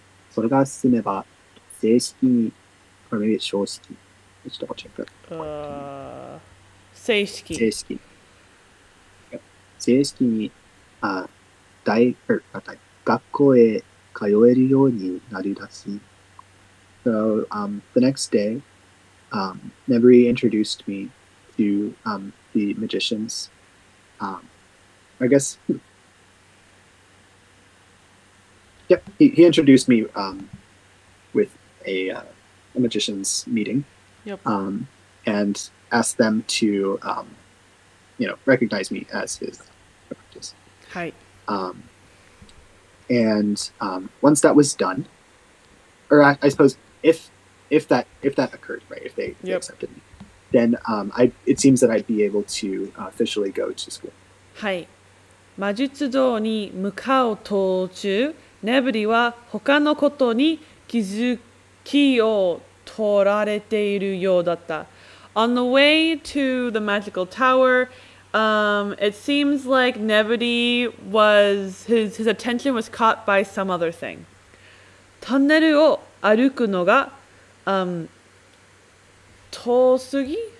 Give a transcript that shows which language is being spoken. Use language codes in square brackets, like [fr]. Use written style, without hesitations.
[ja] それが進めば、正式に、あるいは正式。ちょっとお check out. 正式。正式。正式に、学校へ通えるようになるらしい。 [en] So, the next day, Nebri introduced me to, the magicians. I guess, yep, he introduced me, with a magician's meeting. and ask them to, you know, recognize me as his apprentice. Once that was done, or I suppose if that occurred, right, if they, yep. they accepted me, then it seems that I'd be able to officially go to school. [ja] はい。魔術堂に向かう途中、ネブリは他のことに気づきを取られているようだった。 [en] On the way to the magical tower, it seems like Nebri was, his attention was caught by some other thing. [ja] トンネルを歩くのが、遠すぎ?